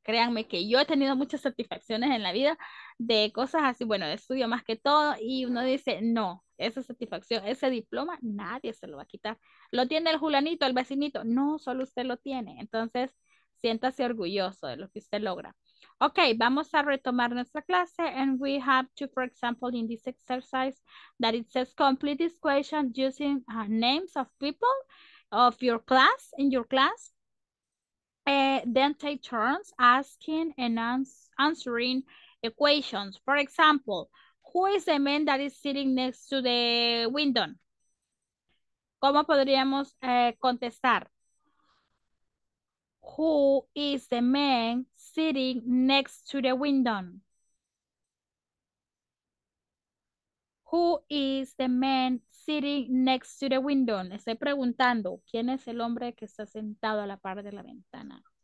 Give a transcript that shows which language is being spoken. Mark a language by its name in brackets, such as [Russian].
[Spanish] Créanme que yo he tenido muchas satisfacciones en la vida de cosas así, bueno, de estudio más que todo, y uno dice, no, esa satisfacción, ese diploma, nadie se lo va a quitar. ¿Lo tiene el Julanito, el vecinito? No, solo usted lo tiene. Entonces, siéntase orgulloso de lo que usted logra. Ok, vamos a retomar nuestra clase. [English] And we have to, for example, in this exercise, that it says complete this question using names of people of your class, in your class. Then take turns asking and answering equations. For example, who is the man that is sitting next to the window? [Spanish] ¿Cómo podríamos contestar? [English] Who is the man sitting next to the window? Who is the man sitting next to the window? [Spanish] Estoy preguntando, ¿quién es el hombre que está sentado a la par de la ventana?